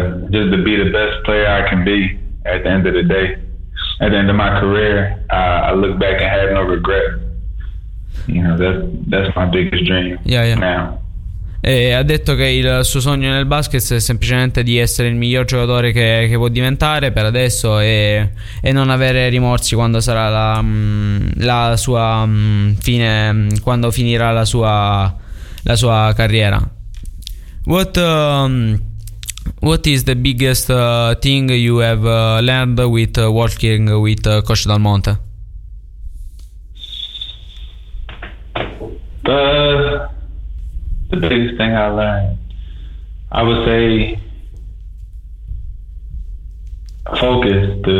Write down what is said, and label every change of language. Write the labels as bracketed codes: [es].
[en] Just to be the best player I can be at the end of the day. At the end of my career, I look back and have no regret. You know, that's my biggest dream. Yeah. Now. [it] E ha detto che il suo sogno nel basket è semplicemente di essere il miglior giocatore che può diventare per adesso e non avere rimorsi quando sarà la sua fine, quando finirà la sua carriera. [en] What is the biggest thing you have learned with working with Coach Del Monte? The biggest thing I learned, I would say, focus.